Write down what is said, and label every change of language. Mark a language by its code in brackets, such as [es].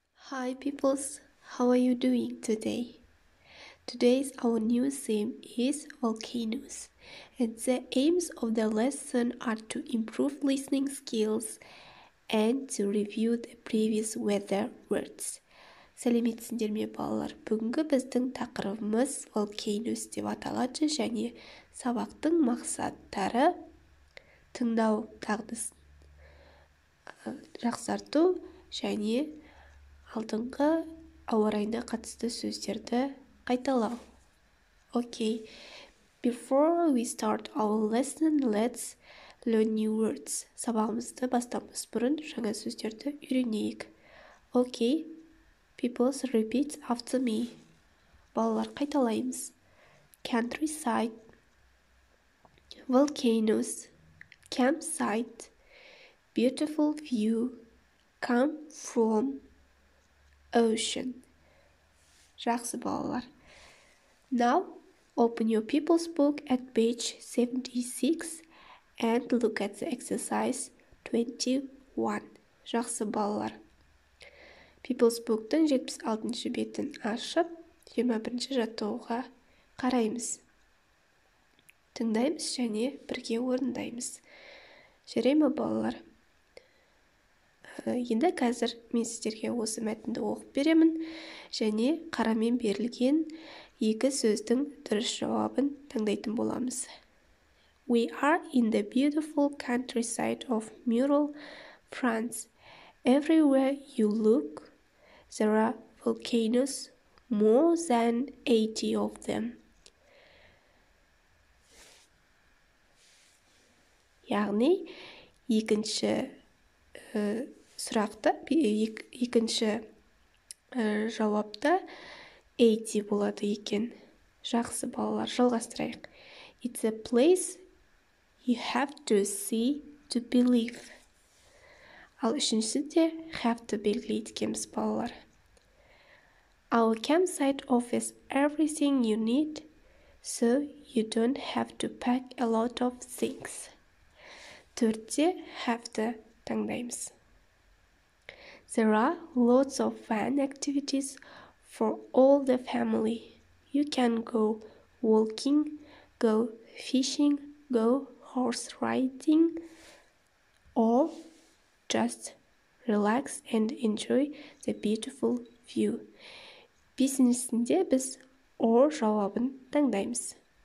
[en] Hi peoples, how are you doing today? Today's our new theme is volcanoes, and the aims of the lesson are to improve listening skills and to review the previous weather words. [kk] Сәлеметсіндер ме, балалар? Бүгінгі біздің тақырыбымыз volcanoes деп аталады және сабақтың мақсаттары тыңдау дағдысын жақсарту және алдыңғы ауарайына қатысты сөздерді қайталау. [en] Okay, before we start our lesson, let's learn new words. [kk] Сабағымызды бастамыз бұрын жаңа сөздерді үйренейік. [en] Okay, people repeat after me. [kk] Балалар қайталаймыз. [en] Countryside, volcanoes, campsite, beautiful view, come from ocean. [kk] Жақсы балалар. [en] Now open your people's book at page 76 and look at the exercise 21. [kk] Жақсы балалар. People's book-тың 76-шы бетін ашып, 21-ші жаттығуға қараймыз. Тыңдаймыз және бірге орындаймыз. Жүреме балалар. Енді қазір мен сіздерге осы мәтінді оқып беремін және қарамен берілген екі сөздің дұрыс жауабын таңдайтын боламыз. [en] We are in the beautiful countryside of Mural, France. Everywhere you look, there are volcanoes, more than 80 of them. [kk] Яғни, екінші сұрақты, екінші жауапты 80 болады екен. Жақсы балалар, жалғастырайық. [en] It's a place you have to see to believe. [kk] Ал үшіншісі де [en] have to believe [kk] екеміз балалар. [en] Our campsite offers everything you need, so you don't have to pack a lot of things. [kk] Төртте [en] have to [kk] таңдаймыз. [en] There are lots of fun activities for all the family. You can go walking, go fishing, go horse riding, or just relax and enjoy the beautiful view. [kk] Бесіншісінде біз or жауабын таңдаймыз.